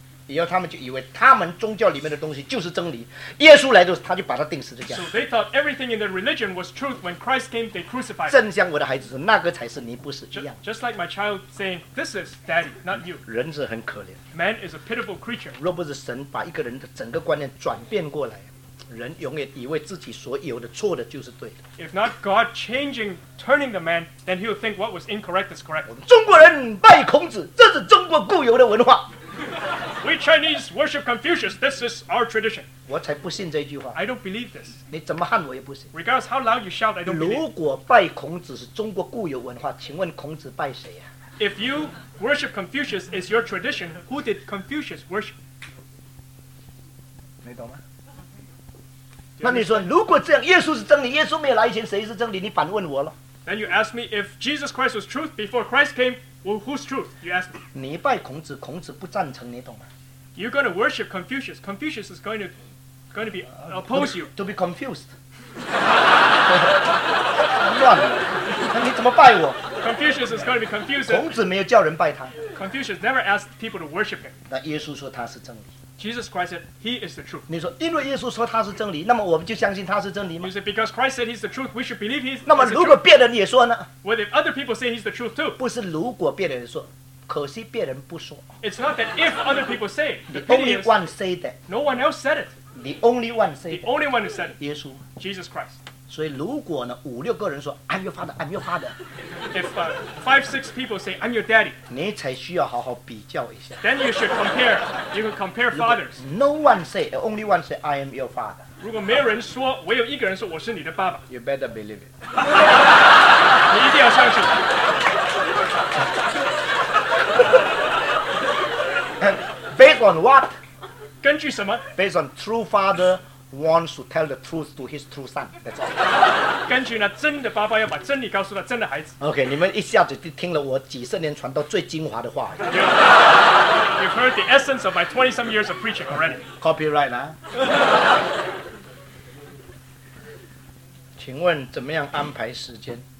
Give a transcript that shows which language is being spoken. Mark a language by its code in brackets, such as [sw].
[zh] 以后他们就以为他们宗教里面的东西就是真理，耶稣来的时候他就把它钉十字架。 [en] So they thought everything in their religion was truth when Christ came, they crucified. [zh] 正像我的孩子说，那个才是你，不是一样。 [en] Just like my child saying, "This is Daddy, not you." [zh] 人是很可怜。 [en] Man is a pitiful creature. [zh] 若不是神把一个人的整个观念转变过来。人永远以为自己所有的错的就是对的。 [en] If not God changing, turning the man, then he'll think what was incorrect is correct. [zh] 我们中国人拜孔子，这是中国固有的文化。 [en] We Chinese worship Confucius. This is our tradition. [zh] 我才不信这句话。 [en] I don't believe this. [zh] 你怎么喊我也不信。 [en] Regardless how loud you shout, I don't believe. [zh] 如果拜孔子是中国固有文化，请问孔子拜谁呀？ [en] If you worship Confucius is your tradition, who did Confucius worship? [zh] 你懂吗？那你说，如果这样，耶稣是真理，耶稣没有来以前，谁是真理？你反问我了。 [en] Then you ask me if Jesus Christ was truth before Christ came. Well, who's truth? You ask me. [zh] 你拜孔子，孔子不赞成，你懂吗 [en] ？You're going to worship Confucius. Confucius is going to be oppose you. To be confused. [zh] 乱了，你怎么拜我 [en] ？Confucius is going to be confused. [zh] 孔子没有叫人拜他。 [en] Confucius never asked people to worship him. [zh] 那耶稣说他是真理。 [en] Jesus Christ said he is the truth. [zh] 你说因为耶稣说他是真理，那么我们就相信他是真理吗 [en] ？You say because Christ said he's the truth, we should believe he's. [zh] 那么如果别人也说呢 [en] ？What if other people say he's the truth too? [zh] 不是如果别人说，可惜别人不说。 [en] It's not that if other people say. The only one say that. No one else said it. The only one say. The only one who said it. [zh] 耶稣。 [en] Jesus Christ. [zh] 所以如果呢五六个人说 [en] I'm your father, I'm your father. If five, six people say I'm your daddy. [zh] 你才需要好好比较一下。 [en] Then you should compare. You can compare fathers. No one say, only one say I am your father. [zh] 如果没有人说，唯有一个人说我是你的爸爸。 [en] You better believe it. [zh] 你一定要相信。 [en] Based on what? [zh] 根据什么 [en] ？Based on true father. Wants to tell the truth to his true son. That's all. [zh] 根据那真的爸爸要把真理告诉他真的孩子。 OK， 你们一下子就听了我几十年传到最精华的话。 [en] You've heard the essence of my 20-some years of preaching already. [zh] Copyright 啦、啊。请问怎么样安排时间